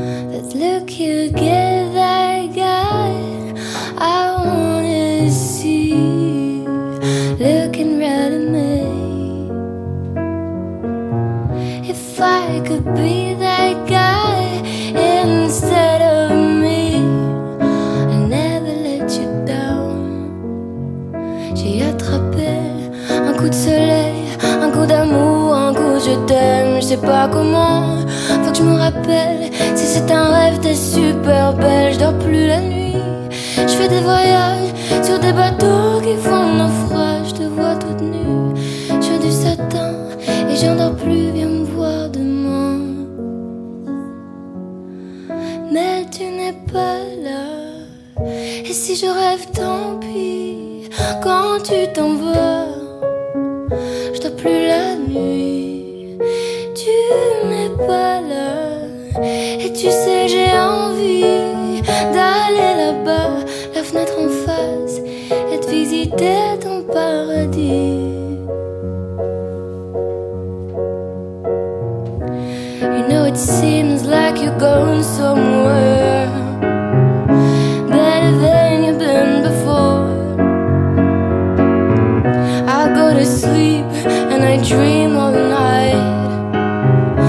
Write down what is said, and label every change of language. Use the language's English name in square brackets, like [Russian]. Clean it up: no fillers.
[English] That look you give that guy, I wanna see. Looking right at me. If I could be that guy instead of me, I'd never let you down. [French] J'ai attrapé un coup de soleil, un coup d'amour, un coup je t'aime. Je sais pas comment, faut que je me rappelle. Si c'est un rêve, t'es super belle. Je dors plus la nuit, je fais des voyages sur des bateaux qui font naufrage. Je te vois toute nue, je suis du satin et j'endors plus. Viens me voir demain, mais tu n'es pas là. Et si je rêve, tant pis. Quand tu t'en vas, je dors plus la nuit. Tu n'es pas là. Et tu sais, j'ai envie d'aller là-bas, la fenêtre en face, et de visiter ton paradis. [English] You know it seems like you're going somewhere better than you've been before. I go to sleep and I dream all night.